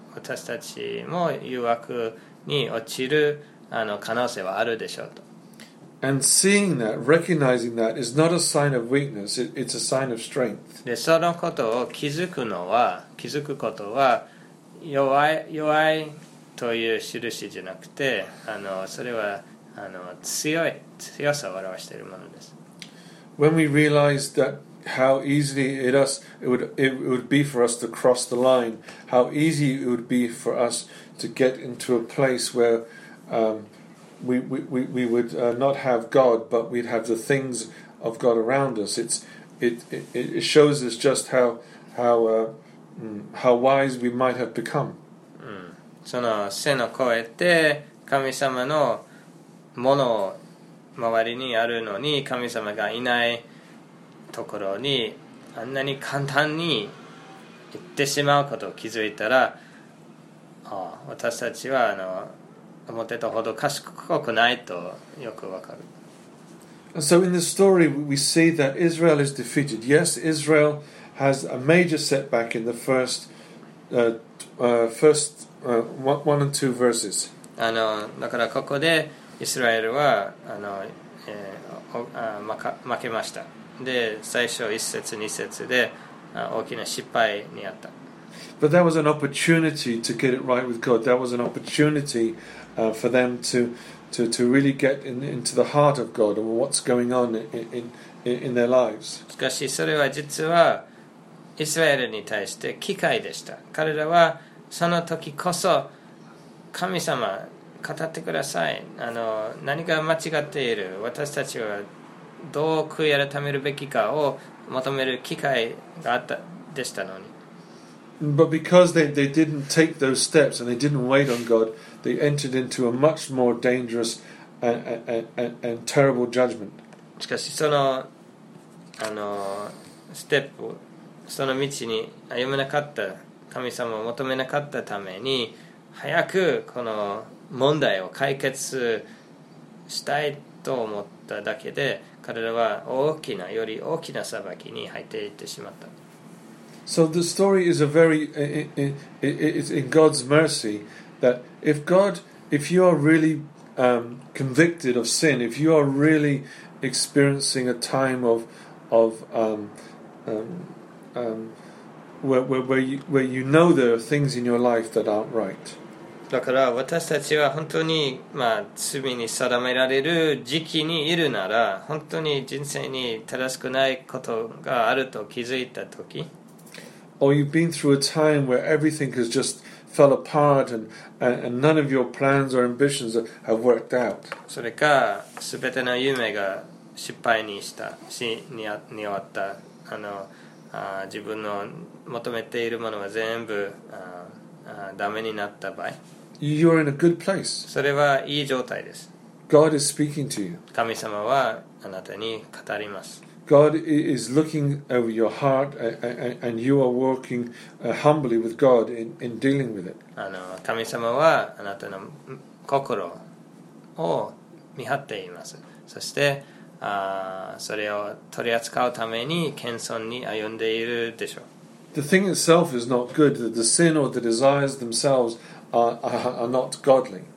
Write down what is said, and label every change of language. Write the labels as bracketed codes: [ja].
[ja] 私たちも誘惑に落ちる可能性はあるでしょうと。 [en] And seeing that, recognizing that, is not a sign of weakness. It's a sign of strength. [ja] で、そのことを気づくのは、気づくことは弱いという印じゃなくて、それは強さを表しているものです。 [en] When we realize that how easily it would be for us to cross the line, how easy it would be for us to get into a place where we would not have God, but we'd have the things of God around us. It shows us just how wise we might have become. [ja] その背の越えて神様のものを周りにあるのに神様がいないところにあんなに簡単に行ってしまうことを気づいたら、ああ私たちは思ってたほど賢くないとよくわかる。 [en] So in the story we see that Israel is defeated. Yes, Israel has a major setback in the first one and two verses. [ja] だからここでイスラエルは負けました。で、最初1節2節で大きな失敗にあった。 [en] But that was an opportunity to get it right with God. That was an opportunity for them to really get into the heart of God and what's going on in their lives. [ja] しかしそれは実はイスラエルに対して機会でした。彼らはその時こそ神様語ってください、何が間違っている、私たちはどう悔い改めるべきかを求める機会があったでしたのに。 [en] But because they didn't take those steps and they didn't wait on God, they entered into a much more dangerous and terrible judgment. [ja] しかしその、ステップ、その道に歩めなかった、神様を求めなかったために早くこの問題を解決したいと思っただけで、彼らは大きな、より大きな裁きに入っていってしまった。 [en] So the story is a very it's in God's mercy that if you are really convicted of sin, if you are really experiencing a time of where you know there are things in your life that aren't right. [ja] だから私たちは本当に、罪に定められる時期にいるなら、本当に人生に正しくないことがあると気づいたとき、 [en] or you've been through a time where everything has just fell apart and none of your plans or ambitions have worked out. [ja] それか全ての夢が失敗にした、死に終わった、自分の求めているものは全部ダメになった場合、 [en] You're in a good place. [ja] それはいい状態です。 [en] God is speaking to you. [ja] 神様はあなたに語ります。 [en] God is looking over your heart and you are working humbly with God in dealing with it. [ja] 神様はあなたの心を見張っています。そしてそれを取り扱うために謙遜に歩んでいるでしょう。 [en] The thing itself is not good. The sin or the desires themselves are not godly.